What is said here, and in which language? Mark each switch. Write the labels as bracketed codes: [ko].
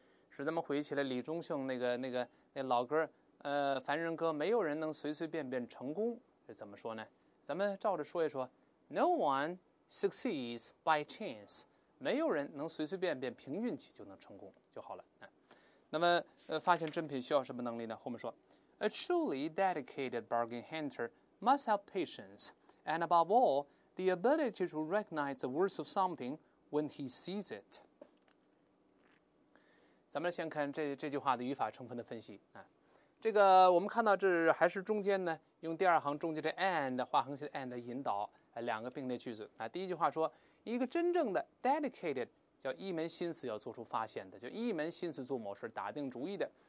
[zh] 使咱们回忆起来李宗盛那老歌，凡人歌，没有人能随随便便成功，是怎么说呢？咱们照着说一说 ， [en] No one succeeds by chance， [zh] 没有人能随随便便凭运气就能成功就好了。那么，发现珍品需要什么能力呢？后面说。 [en] A truly dedicated bargain hunter must have patience, and above all, the ability to recognize the worth of something when he sees it. [zh] 咱们先看这句话的语法成分的分析啊。这个我们看到这还是中间呢，用第二行中间的 and 画横线的 and 引导两个并列句子啊。第一句话说，一个真正的 dedicated 叫一门心思要做出发现的，就一门心思做某事，打定主意的。